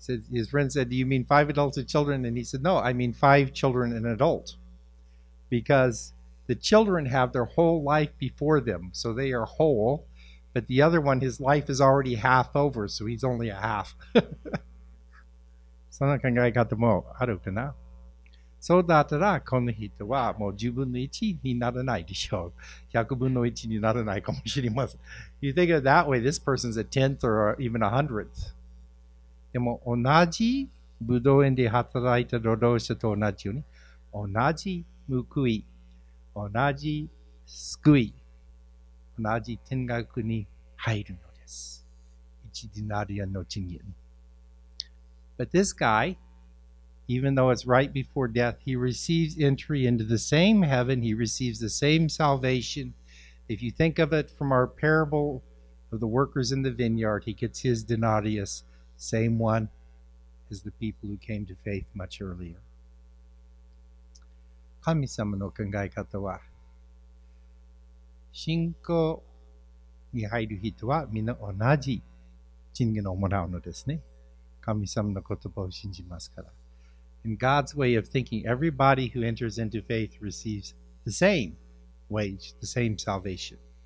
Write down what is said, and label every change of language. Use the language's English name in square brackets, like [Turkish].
[English] His friend said, do you mean 5 adults and children? And he said, no, I mean 5 children and adult. Because the children have their whole life before them, so they are whole. But the other one, his life is already half over, so he's only a half. [Japanese] その考え方もあるかな？そうだったら、この人はもう10分の1にならないでしょう。 100分の1にならないかもしれません。 [English] You think of that way, this person's a tenth or even a hundredth. [Japanese] でも同じ武道園で働いた労働者と同じように、同じ報い、同じ救い、同じ天国に入るのです。 1ディナリアの賃金。 [English] But this guy,even though it's right before death, he receives entry into the same heaven. He receives the same salvation. If you think of it from our parable of the workers in the vineyard, he gets his denarius, same one as the people who came to faith much earlier. [Japanese] 神様の考え方は、信仰に入る人はみんな同じ賃金をもらうのですね。神様の言葉を信じますから。 [English] In God's way of thinking, everybody who enters into faith receives the same wage, the same salvation.